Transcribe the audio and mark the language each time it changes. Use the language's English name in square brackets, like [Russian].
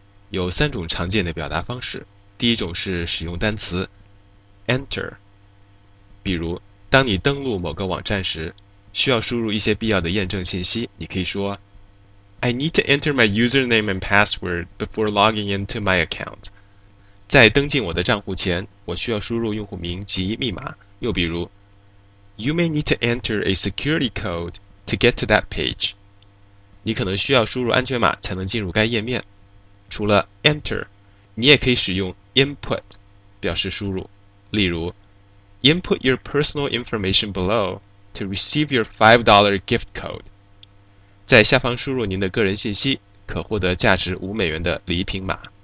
[Chinese] 有三种常见的表达方式。第一种是使用单词 enter，比如当你登录某个网站时，需要输入一些必要的验证信息，你可以说 [English] I need to enter my username and password before logging into my account。 [Chinese] 在登进我的账户前，我需要输入用户名及密码。又比如， [English] You may need to enter a security code to get to that page。 [Chinese] 你可能需要输入安全码才能进入该页面。除了 enter，你也可以使用 input 表示输入。例如， [English] Input your personal information below to receive your $5 gift code。 [Chinese] 在下方输入您的个人信息，可获得价值5美元的礼品码。